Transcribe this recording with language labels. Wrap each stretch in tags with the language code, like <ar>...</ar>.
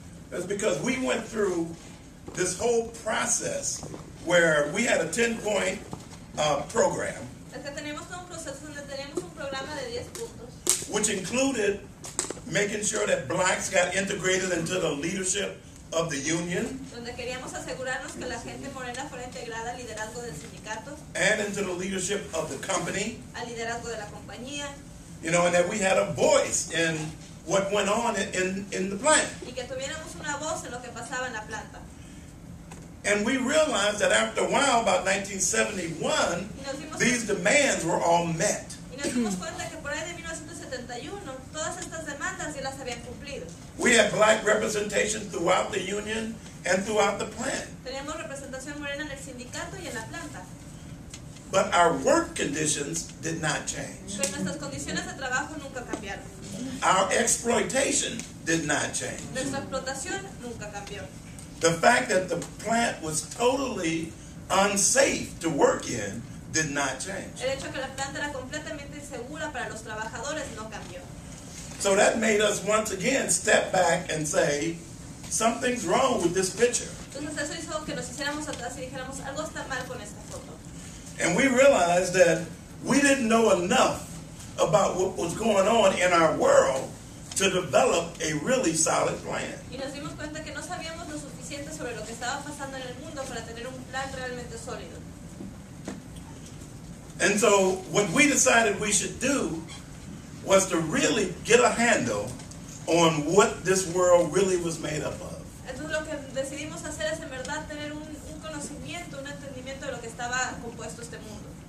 <en>That's because we went through this whole process where we had a 10-point program.</en> <es>Es que teníamos un proceso donde teníamos un programa de 10 puntos.</es> <en>Which included making sure that blacks got integrated into the leadership of the union.</en> <es>Donde queríamos asegurarnos que la gente morena fuera integrada al liderazgo del sindicato.</es> <en>And into the leadership of the company.</en> <es>Al liderazgo de la compañía.</es> <en>You know, and that we had a voice in what went on in the plant.</en> <es>Y que tuviéramos una voz en lo que pasaba en la planta.</es> <en>And we realized that after a while, about 1971, these demands were all met.</en> <es>Y nos dimos cuenta que por ahí de 1971, todas estas demandas ya las habían cumplido.</es> <en>We had black representation throughout the union and throughout the plant.</en> <es>Teníamos representación morena en el sindicato y en la planta.</es> <en>But our work conditions did not change.</en> <es>Pero nuestras condiciones de trabajo nunca cambiaron.</es> <en>Our exploitation did not change.</en> <es>Nuestra explotación nunca cambió.</es> <en>The fact that the plant was totally unsafe to work in did not change.</en> <es>El hecho que la planta era completamente insegura para los trabajadores no cambió.</es> <en>So that made us once again step back and say, something's wrong with this picture.</en> <es>Entonces eso hizo que nos hiciéramos atrás y dijéramos, algo está mal con esta foto.</es> <en>And we realized that we didn't know enough about what was going on in our world to develop a really solid plan.</en> <es>Y nos dimos cuenta que no sabíamos lo suficiente sobre lo que estaba pasando en el mundo para tener un plan realmente sólido.</es> <en>And so what we decided we should do was to really get a handle on what this world really was made up of.</en> <es>Entonces lo que decidimos hacer es en verdad tener un conocimiento, un entendimiento de lo que estaba compuesto este mundo.</es>